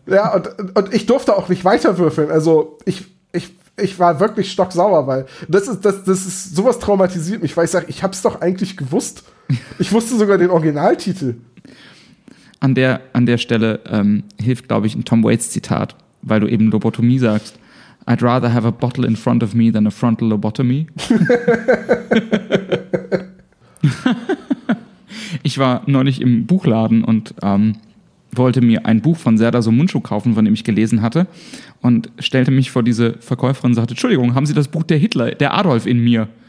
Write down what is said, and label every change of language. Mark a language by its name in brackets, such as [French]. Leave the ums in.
[German] Ja, und, und ich durfte auch nicht weiterwürfeln. Also ich, ich, ich war wirklich stocksauer, weil das ist, das, das ist, sowas traumatisiert mich, weil ich sage, ich hab's doch eigentlich gewusst. Ich wusste sogar den Originaltitel. An der, an der Stelle ähm, hilft, glaube ich, ein Tom Waits-Zitat, weil du eben Lobotomie sagst. [English] I'd rather have a bottle in front of me than a frontal lobotomy. [German] ich war neulich im Buchladen und ähm, wollte mir ein Buch von Serda Somunchu kaufen, von dem ich gelesen hatte, und stellte mich vor diese Verkäuferin und sagte: Entschuldigung, haben Sie das Buch der Hitler, der Adolf in mir?